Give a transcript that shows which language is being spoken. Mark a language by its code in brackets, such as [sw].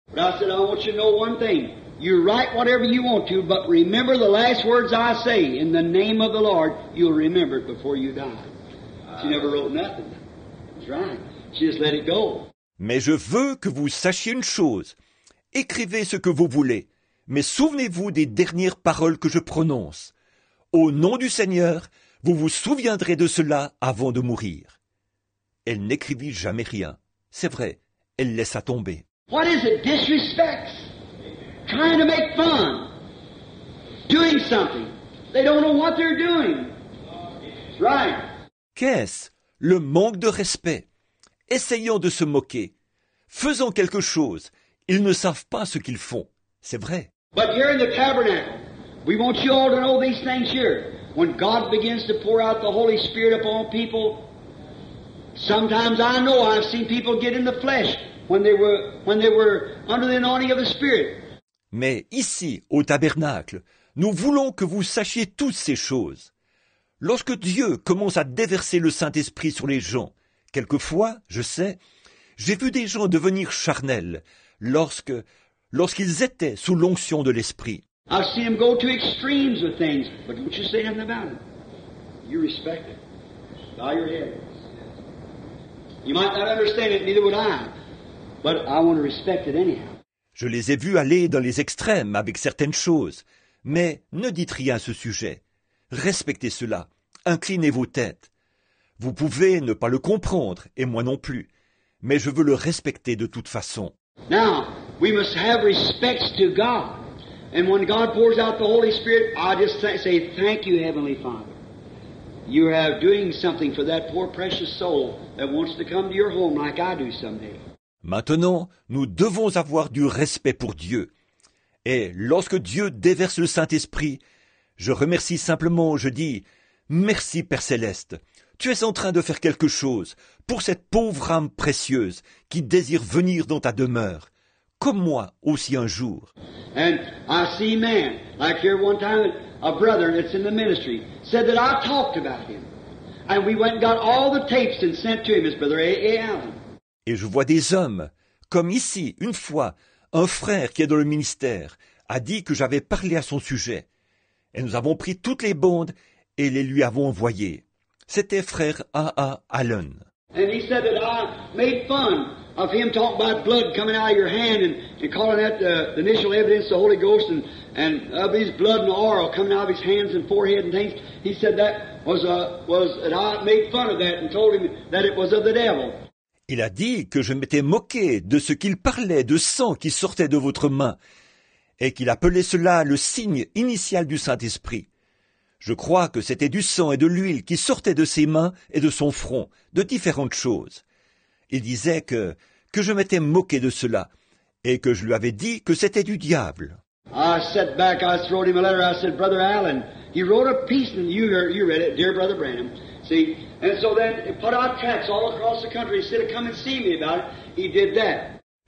[en] But I said, I want you to know one thing. You write whatever you want to, but remember the last words I say in the name of the Lord, you'll remember it before you die. She never wrote nothing. That's right. She just let it go. [fr] Mais je veux que vous sachiez une chose. Écrivez ce que vous voulez, mais souvenez-vous des dernières paroles que je prononce. Au nom du Seigneur, vous vous souviendrez de cela avant de mourir. Elle n'écrivit jamais rien. C'est vrai, elle laissa tomber. [en] What is it? Disrespect. Trying to make fun. Doing something. They don't know what they're doing. Right. [fr] Qu'est-ce? Le manque de respect. Essayons de se moquer. Faisons quelque chose. Ils ne savent pas ce qu'ils font. C'est vrai. [en] But here in the tabernacle, we want you all to know these things here. When God begins to pour out the Holy Spirit upon people, sometimes I know I've seen people get in the flesh when they were under the anointing of the Spirit. [fr] Mais ici, au tabernacle, nous voulons que vous sachiez toutes ces choses. Lorsque Dieu commence à déverser le Saint-Esprit sur les gens, quelquefois, je sais, j'ai vu des gens devenir charnels lorsqu'ils étaient sous l'onction de l'Esprit. [en] I've seen them go to extremes with things, but don't you say nothing about it. You respect it. Bow your head. You might not understand it, neither would I, but I want to respect it anyhow. [fr] Je les ai vus aller dans les extrêmes avec certaines choses, mais ne dites rien à ce sujet. Respectez cela. Inclinez vos têtes. Vous pouvez ne pas le comprendre, et moi non plus, mais je veux le respecter de toute façon. [en] Now, we must have respect to God. And when God pours out the Holy Spirit, I just say, thank you, Heavenly Father. You are doing something for that poor, precious soul that wants to come to your home like I do someday. [fr] Maintenant, nous devons avoir du respect pour Dieu. Et lorsque Dieu déverse le Saint-Esprit, je remercie simplement, je dis, merci Père Céleste. Tu es en train de faire quelque chose pour cette pauvre âme précieuse qui désire venir dans ta demeure. Comme moi aussi un jour. [en] And I see man, like here one time, a brother that's in the ministry, said that I talked about him. And we went and got all the tapes and sent to him, his brother A.A. Allen. [fr] Et je vois des hommes, comme ici, une fois, un frère qui est dans le ministère, a dit que j'avais parlé à son sujet. Et nous avons pris toutes les bandes et les lui avons envoyées. C'était frère A.A. Allen. [en] And he said that I made fun of him talking about blood coming out of your hand and calling that the initial evidence of the Holy Ghost and of his blood and aura coming out of his hands and forehead and things. He said that was that I made fun of that and told him that it was of the devil. [fr] Il a dit que je m'étais moqué de ce qu'il parlait de sang qui sortait de votre main et qu'il appelait cela le signe initial du Saint-Esprit. Je crois que c'était du sang et de l'huile qui sortaient de ses mains et de son front, de différentes choses. Il disait que je m'étais moqué de cela et que je lui avais dit que c'était du diable. [en] I sat back, I wrote him a letter, I said, Brother Allen, he wrote a piece, and you read it, dear Brother Branham, see, and so then he put out tracts all across the country, he said, come and see me about it, he did that.